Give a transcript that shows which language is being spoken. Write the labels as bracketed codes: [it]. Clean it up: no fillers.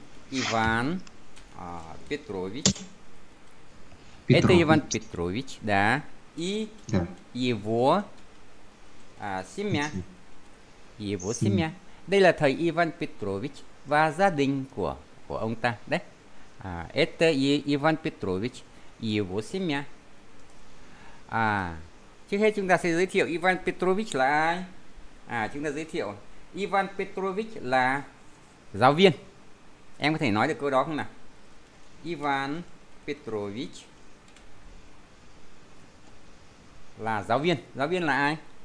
[ru] Иван Петрович. Это Иван Петрович, да. И его семья. Его семья. [vi] Đây là thầy Иван Петрович và gia đình của ông ta đấy. [ru] À, это Иван Петрович и его семья. [vi] À, trước hết chúng ta sẽ giới thiệu Иван Петрович là ai. À, chúng ta giới thiệu Иван Петрович là giáo viên. Em có thể nói được câu đó không nào? Иван Петрович là giáo viên. Giáo viên là ai?